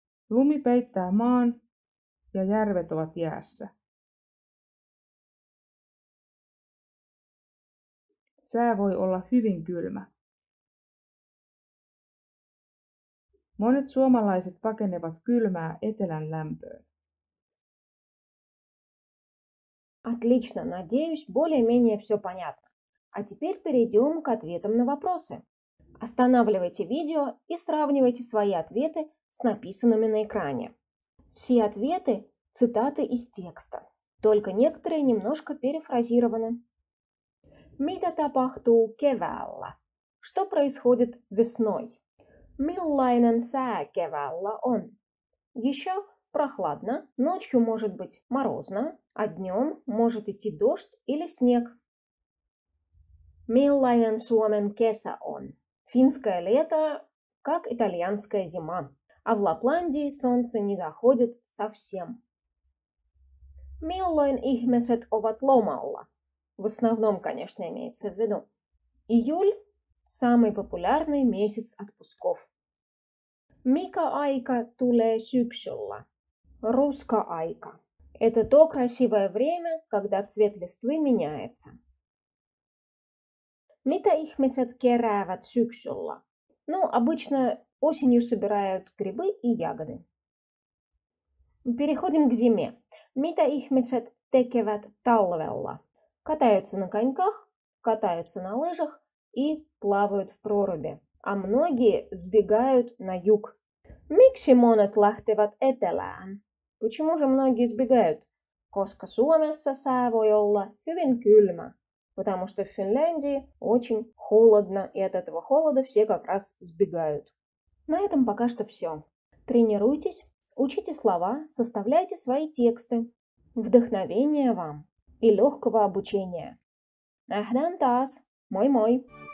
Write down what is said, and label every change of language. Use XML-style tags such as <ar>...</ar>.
<fi>Lumi peittää maan ja järvet ovat jäässä. Sää voi olla hyvin kylmä. Monet suomalaiset pakenevat kylmää etelän lämpöön.</fi> <ru>Отлично, надеюсь, более-менее все понятно. А теперь перейдем к ответам на вопросы. Останавливайте видео и сравнивайте свои ответы с написанными на экране. Все ответы – цитаты из текста, только некоторые немножко перефразированы.</ru> <fi>Mitä tapahtuu keväällä?</fi> <ru>Что происходит весной?</ru> <fi>Millainen sää keväällä on?</fi> <ru>Еще прохладно, ночью может быть морозно, а днем может идти дождь или снег.</ru> <fi>Millainen Suomen kesä on?</fi> <ru>Финское лето, как итальянская зима. А в Лапландии солнце не заходит совсем.</ru> <fi>Milloin ihmiset ovat lomalla?</fi> <ru>В основном, конечно, имеется в виду. Июль – самый популярный месяц отпусков.</ru> <fi>Mikä aika tulee syksyllä? Ruska aika.</fi> <ru>Это то красивое время, когда цвет листвы меняется.</ru> <fi>Mitä ihmiset keräävät syksyllä?</fi> <ru>Ну, обычно осенью собирают грибы и ягоды. Переходим к зиме.</ru> <fi>Mitä ihmiset tekevät talvella?</fi> <ru>Катаются на коньках, катаются на лыжах и плавают в проруби. А многие сбегают на юг.</ru> <fi>Miksi monet lähtevät etelään?</fi> <ru>Почему же многие сбегают?</ru> <fi>Koska Suomessa sää voi olla hyvin kylmä.</fi> <ru>Потому что в Финляндии очень холодно, и от этого холода все как раз сбегают. На этом пока что все. Тренируйтесь, учите слова, составляйте свои тексты. Вдохновения вам и легкого обучения.</ru> <fi>Ахдан тас, мой-мой.</fi>